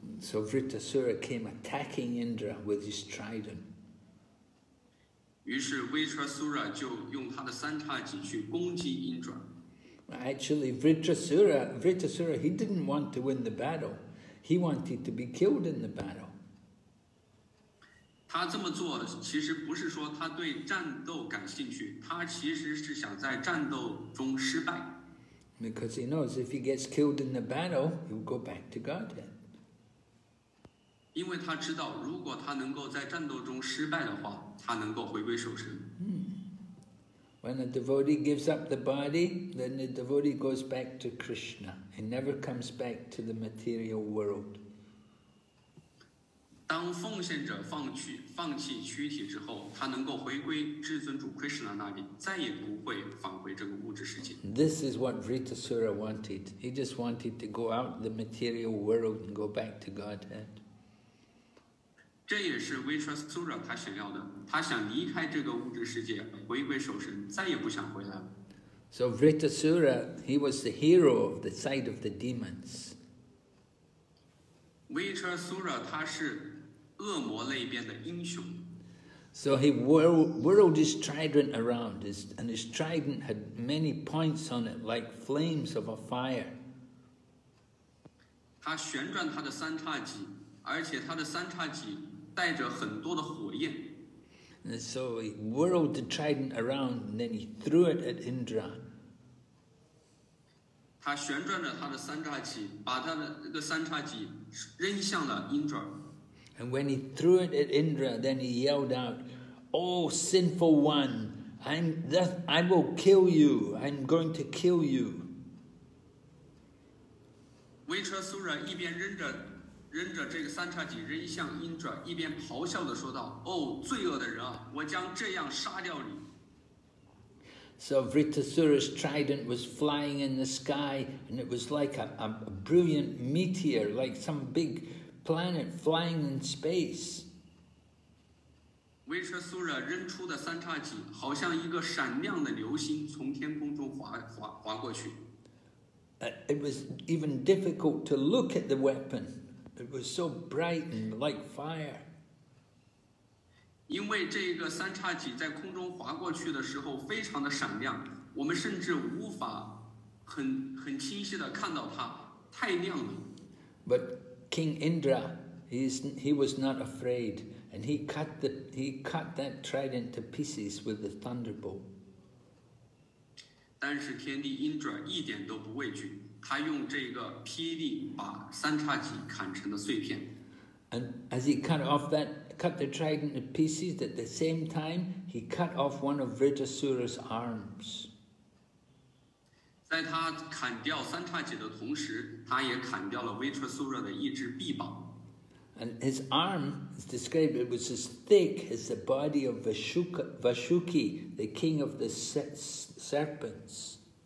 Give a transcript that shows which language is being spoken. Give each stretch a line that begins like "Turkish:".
English: So Vritasura came attacking Indra with his trident.
Chinese: 于是 Vritasura 就用他的三叉戟去攻击 Indra.
English: Actually, Vritasura, he didn't want to win the battle. He wanted to be killed in the battle.
Chinese: 他这么做其实不是说他对战斗感兴趣，他其实是想在战斗中失败。
English: Because he knows if he gets killed in the battle, he'll go back to Godhead.
Chinese: 因为他知道，如果他能够在战斗中失败的话，他能够回归受身。
English: When a devotee gives up the body, then the devotee goes back to Krishna. He never comes back to the material world.
Chinese: 当奉献者放弃躯体之后，他能够回归至尊主 Krishna 那里，再也不会返回这个物质世界。
English: This is what Vritasura wanted. He just wanted to go out the material world and go back to Godhead.
Chinese: 这也是 Vritasura 他想要的，他想离开这个物质世界，回归守身，再也不想回来。
English: So Vritasura, he was the hero of the side of the demons.
Chinese: Vritasura 他是恶魔那边的英雄。
English: So he whirled his trident around, and his trident had many points on it like flames of a fire.
Chinese: 他旋转他的三叉戟，而且他的三叉戟带着很多的火焰。
English: And so he whirled the trident around and then he threw it at Indra.
Chinese: 他旋转着他的三叉戟，把他的那个三叉戟扔向了 Indra.
English: And when he threw it at Indra, then he yelled out, Oh sinful one, I will kill you, I'm going to kill you.
Chinese: Vritasura 一边扔着这个三叉戟扔向 Indra， 一边咆哮地说道：“哦，罪恶的人啊，我将这样杀掉你。
English: ”So Vritasura's trident was flying in the sky, and it was like a brilliant meteor, like some big planet flying in space.
Chinese: Vritasura 扔出的三叉戟好像一个闪亮的流星从天空中划过去。
English: It was even difficult to look at the weapon. It was so bright and like fire.
Chinese: 因为这个三叉戟在空中划过去的时候非常的闪亮，我们甚至无法很清晰的看到它，太亮了。
English: But King Indra, he was not afraid, and he cut that trident to pieces with the thunderbolt.
Chinese: 但是天帝 Indra 一点都不畏惧。他用这个霹雳把三叉戟砍成了碎片。
English: And as he cut the trident to pieces, at the same time, he cut off one of Vritasura's arms.
Chinese: 在他砍掉三叉戟的同时，他也砍掉了 Vritasura 的一只臂膀。
English: And his arm is described, it was as thick as the body of Vasuki, the king of the serpents.